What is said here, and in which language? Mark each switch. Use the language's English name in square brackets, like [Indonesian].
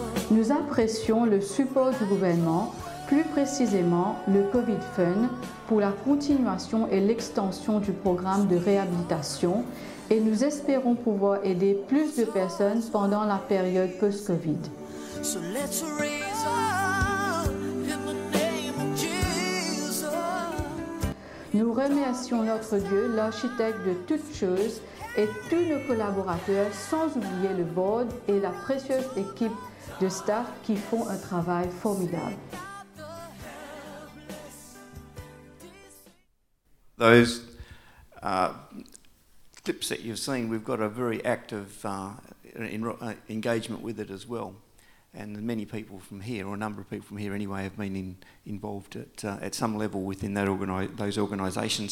[French] Nous apprécions le support du gouvernement, plus précisément le COVID Fund, pour la continuation et l'extension du programme de réhabilitation, et nous espérons pouvoir aider plus de personnes pendant la période post-COVID. [English] So let's raise up in the name of Jesus. [French] Nous remercions notre Dieu, l'architecte de toutes choses, et tous nos collaborateurs, sans oublier le board et la précieuse équipe de staff qui font un travail formidable. [English] Those clips that you've seen, we've got a very active engagement with it as well. And many people from here, or a number of people from here anyway, have been involved at some level within that those organisations.